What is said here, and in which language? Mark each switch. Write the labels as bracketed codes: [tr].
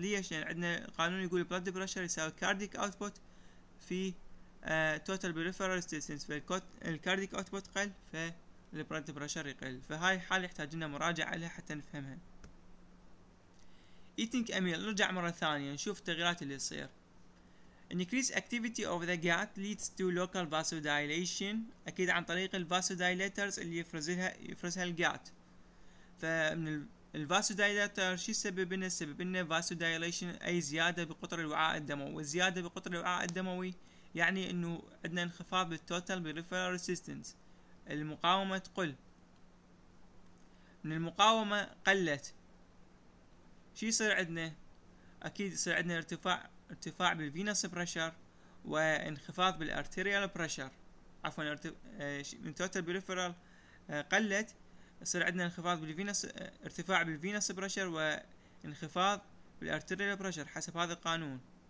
[ar] ليش؟ لان يعني عندنا قانون يقول البلد بريشر يساوي كارديك اوتبوت في توتال بريفرال ريسيستنس، فالكارديك اوتبوت قل فالبلد بريشر يقل. فهاي الحاله يحتاج لنا مراجعه عليها حتى نفهمها. [en] Eating a meal، [ar] نرجع مرة ثانية نشوف التغييرات اللي تصير. [en] Increase activity of the gut leads to local vasodilation، [ar] أكيد عن طريق الفاسودايليترز اللي يفرزها الجات. فمن الفاسودايليتر شو سبب لنا؟ سبب لنا vasodilation، أي زيادة بقطر الوعاء الدموي. والزيادة بقطر الوعاء الدموي يعني إنه عندنا انخفاض بالtotal peripheral resistance، المقاومة تقل، من المقاومة قلت، شي يصير عندنا؟ أكيد يصير عندنا ارتفاع بالفينوس بريشر وانخفاض بالارتيريال بريشر، عفوا من توتال بريفرال قلت يصير عندنا انخفاض بالفينوس، ارتفاع بالفينوس بريشر وانخفاض بالارتيريال بريشر حسب هذا القانون.